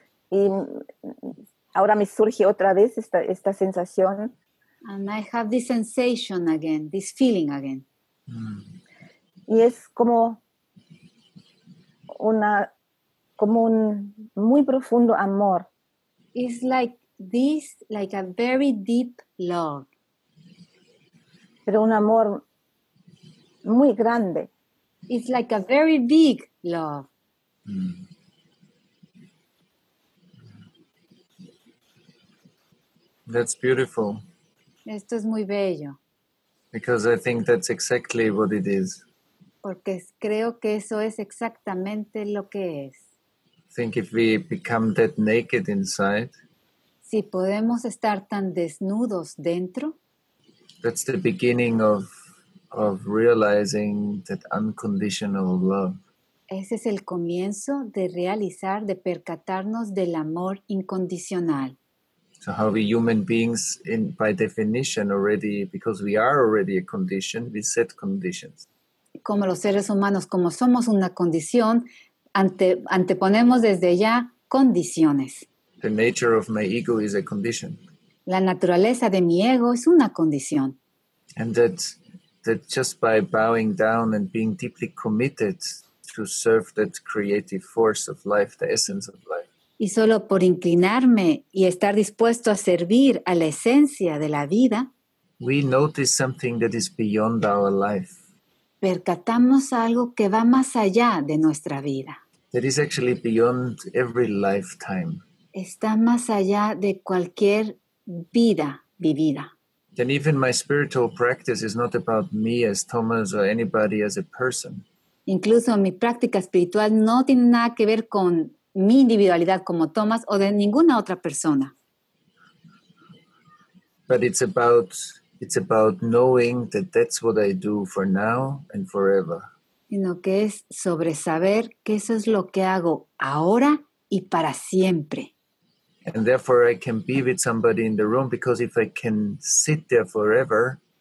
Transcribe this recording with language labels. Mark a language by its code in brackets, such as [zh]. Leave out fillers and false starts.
[es] Y ahora me surge otra vez esta sensación. [en] And I have this sensation again, this feeling again. [es] Y es como un muy profundo amor. [en] It's like this, like a very deep love. [es] Pero un amor muy grande. [en] It's like a very big love. That's beautiful. [es] Esto es muy bello. [en] Because I think that's exactly what it is. [es] Porque creo que eso es exactamente lo que es. [en] I think if we become that naked inside, [es] si podemos estar tan desnudos dentro, [en] that's the beginning of realizing that unconditional love. [es] Ese es el comienzo de realizar, de percatarnos del amor incondicional. [en] So how we human beings, in by definition already, because we are already a condition, we set conditions. [es] Como los seres humanos, como somos una condición, anteponemos desde ya condiciones. [en] The nature of my ego is a condition. [es] La naturaleza de mi ego es una condición. [en] And that just by bowing down and being deeply committed to serve that creative force of life, the essence of life. [es] Y solo por inclinarme y estar dispuesto a servir a la esencia de la vida, [en] we notice something that is beyond our life. [es] Percatamos algo que va más allá de nuestra vida. [en] That is actually beyond every lifetime. [es] Está más allá de cualquier vida vivida. [en] Then even my spiritual practice is not about me as Thomas or anybody as a person. [es] Incluso mi práctica espiritual no tiene nada que ver con mi individualidad como Thomas o de ninguna otra persona. [en] But it's about knowing that that's what I do for now and forever. [es] Sino que es sobre saber que eso es lo que hago ahora y para siempre. [en] And therefore I can be with somebody in the room because if I can sit there forever.